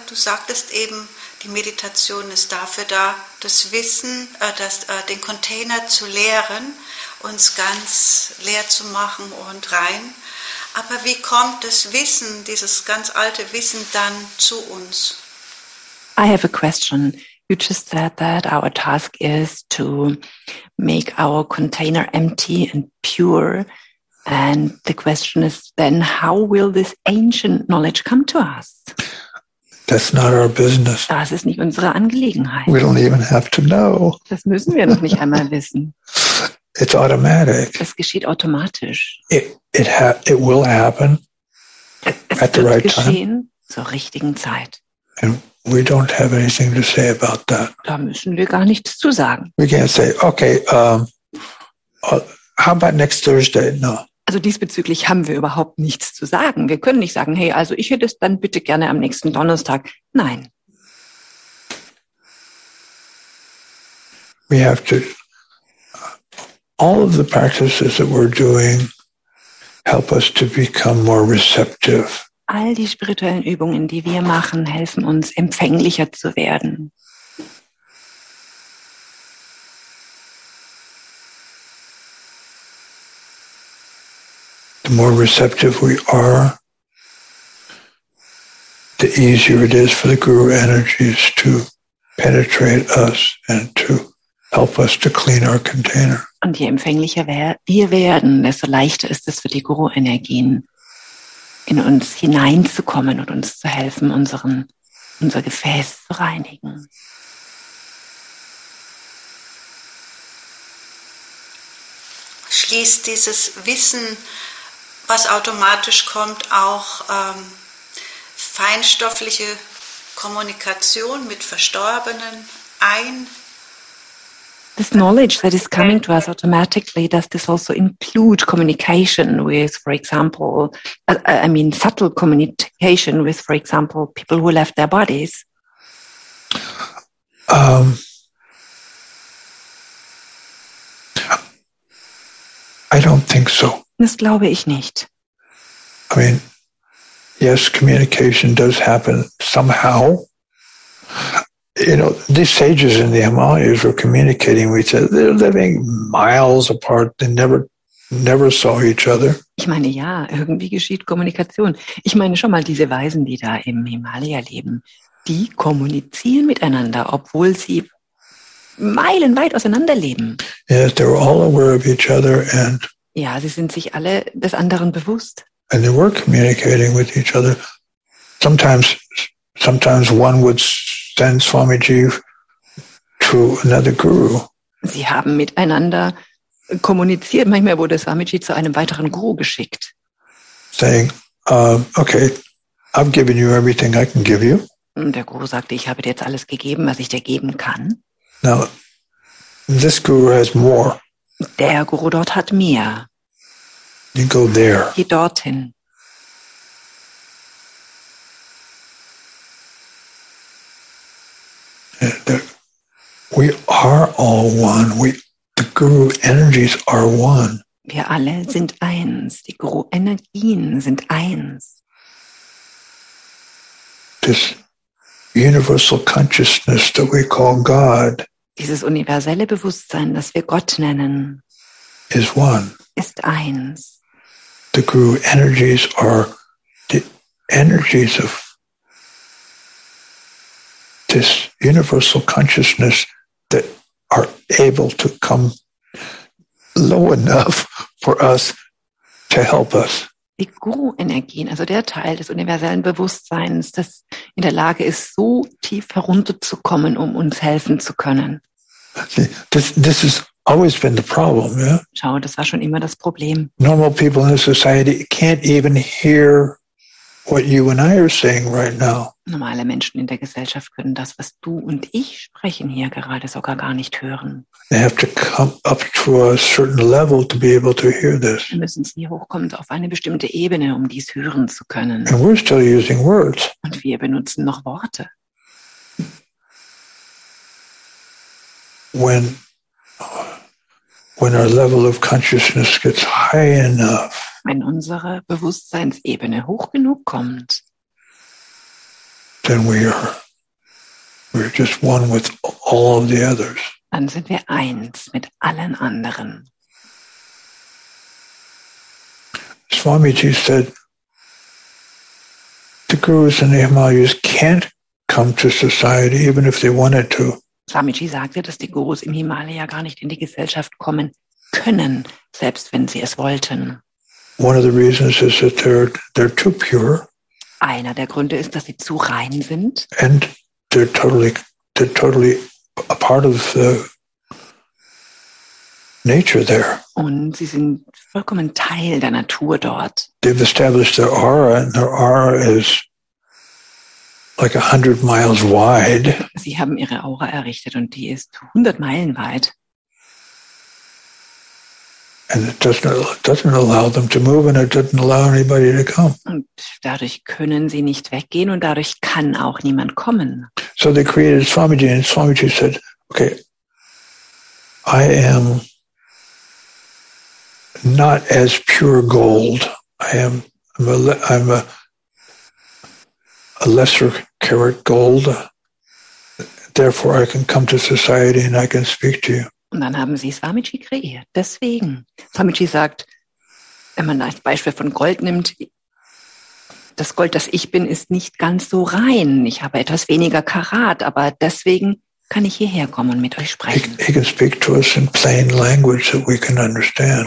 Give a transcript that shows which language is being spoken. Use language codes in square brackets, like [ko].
[de] Du sagtest eben, die Meditation ist dafür da, das Wissen, den Container zu leeren, uns ganz leer zu machen und rein. Aber wie kommt das Wissen, dieses ganz alte Wissen, dann zu uns? [en] I have a question. You just said that our task is to make our container empty and pure. And the question is then, how will this ancient knowledge come to us? That's not our business. [de] Das ist nicht unsere Angelegenheit. [en] We don't even have to know. [de] Das müssen wir noch nicht einmal wissen. [en] It's automatic. [de] Es geschieht automatisch. [en] It will happen at the right time. [de] Es wird geschehen zur richtigen Zeit. [en] And we don't have anything to say about that. [de] Da müssen wir gar nichts zu sagen. [en] We can't say, okay, how about next Thursday? No. [de] Also diesbezüglich haben wir überhaupt nichts zu sagen. Wir können nicht sagen, hey, also ich hätte es dann bitte gerne am nächsten Donnerstag. Nein. [en] We have to. All of the practices that we're doing help us to become more receptive. [de] All die spirituellen Übungen, die wir machen, helfen uns, empfänglicher zu werden. [en] The the more receptive we are, the easier it is for the guru energies to penetrate us and to help us to clean our container. [de] Und je empfänglicher wir werden, desto leichter ist es für die Guru-Energien, in uns hineinzukommen und uns zu helfen, unser Gefäß zu reinigen. Schließt dieses Wissen, was automatisch kommt, auch feinstoffliche Kommunikation mit Verstorbenen ein? [en] This knowledge that is coming to us automatically, does this also include communication with, for example, subtle communication with, for example, people who left their bodies? I don't think so. [de] Das glaube ich nicht. [en] I mean, yes, communication does happen somehow. You know, these sages in the Himalayas were communicating with each other. They're living miles apart. They never saw each other. [de] Ich meine, ja, irgendwie geschieht Kommunikation. Ich meine, schon mal diese Weisen, die da im Himalaya leben, die kommunizieren miteinander, obwohl sie meilenweit auseinander leben. [en] Yes, they're all aware of each other and [de] ja, sie sind sich alle des anderen bewusst. [en] And they were communicating with each other. Sometimes one would send Swamiji to another guru. [de] Sie haben miteinander kommuniziert. Manchmal wurde Swamiji zu einem weiteren Guru geschickt. [en] Saying, okay, I've given you everything I can give you. [de] Und der Guru sagte, ich habe dir jetzt alles gegeben, was ich dir geben kann. [en] Now, this guru has more. [de] Der Guru dort hat mehr. [en] You go there. [de] Geh dorthin. [en] We are all one. The guru energies are one. [de] Wir alle sind eins. Die Guru-Energien sind eins. [en] This universal consciousness that we call God. [de] Dieses universelle Bewusstsein, das wir Gott nennen, [en] is one. [de] Ist eins. [en] The guru energies are the energies of this universal consciousness that are able to come low enough for us to help us. [de] Die Guru-Energien, also der Teil des universellen Bewusstseins, das in der Lage ist, so tief herunterzukommen, um uns helfen zu können. [en] See, this has always been the problem, yeah? [de] Schau, das war schon immer das Problem. [en] Normal people in society can't even hear what you and I are saying right now. [de] Normale Menschen in der Gesellschaft können das, was du und ich sprechen hier gerade, sogar gar nicht hören. [en] They have to come up to a certain level to be able to hear this. [de] Wir müssen hier hochkommen auf eine bestimmte Ebene, um dies hören zu können. [en] And we're still using words. [de] Und wir benutzen noch Worte. [en] When our level of consciousness gets high enough, [de] wenn unsere Bewusstseinsebene hoch genug kommt, [en] then we're just one with all the others. [de] Dann sind wir eins mit allen anderen. [en] Swamiji said, the gurus and the Himalayas can't come to society even if they wanted to. [de] Swamiji sagte, dass die Gurus im Himalaya gar nicht in die Gesellschaft kommen können, selbst wenn sie es wollten. [en] One of the reasons is that they're too pure. [de] Einer der Gründe ist, dass sie zu rein sind. [en] And they're totally a part of the nature there. [de] Und sie sind vollkommen Teil der Natur dort. [en] They've established their aura, and their aura is like 100 miles wide. [de] Sie haben ihre Aura errichtet und die ist 100 Meilen weit. [en] And it doesn't allow them to move, and it doesn't allow anybody to come. [de] Und dadurch können sie nicht weggehen und dadurch kann auch niemand kommen. [en] So they created Swamiji, and Swamiji said, okay, I am not as pure gold. I'm a lesser carat gold. Therefore, I can come to society and I can speak to you. [de] Und dann haben sie Swamiji kreiert. Deswegen, Swamiji sagt, wenn man das Beispiel von Gold nimmt, das Gold, das ich bin, ist nicht ganz so rein. Ich habe etwas weniger Karat, aber deswegen kann ich hierher kommen und mit euch sprechen. [en] He can speak to us in plain language that we can understand.